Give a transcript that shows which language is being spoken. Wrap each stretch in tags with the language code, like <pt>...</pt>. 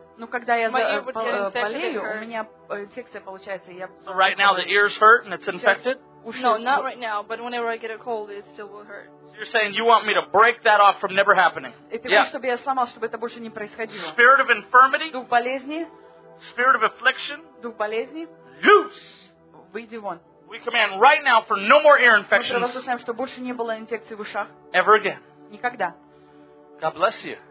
<ru>ну когда я болею, у меня инфекция получается. Я.</ru> <en>So right now the ears hurt and it's infected. No, not right now. But whenever I get a cold, it still will hurt. You're saying you want me to break that off from never happening. Yeah.</en> <ru>Чтобы я сломал, чтобы это больше не происходило.</ru> <en>Spirit of infirmity.</en> <ru>Дух болезни.</ru> <en>Spirit of affliction.</en> <ru>Дух болезни.</ru> <en>Loose.</en> <ru>Выйди вон.</ru> <en>We command right now for no more ear infections.</en> <ru>Мы провозглашаем, что больше не было инфекций в ушах.</ru> <en>Ever again.</en> <ru>Никогда.</ru> <en>God bless you.</en>